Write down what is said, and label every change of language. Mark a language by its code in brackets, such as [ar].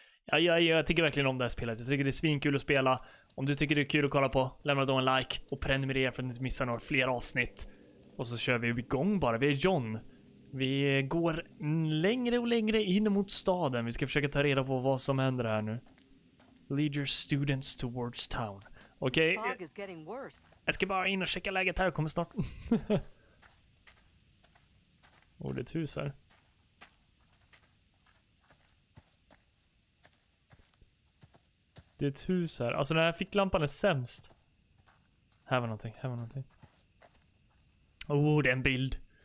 [sv] Jag tycker verkligen om det här spelet. Jag tycker det är svinkul att spela. Om du tycker det är kul att kolla på, lämna då en like och prenumerera för att inte missa några fler avsnitt. Och så kör vi igång bara. Vi är John. Vi går längre och längre in mot staden. Vi ska försöka ta reda på vad som händer här nu. [en] Lead your students towards town. [sv] Okej, jag ska bara in och checka läget här, jag kommer snart. Oh, det är ett hus här. Det är ett hus här, alltså den här ficklampan är sämst. Här var någonting. Oh, det är en bild.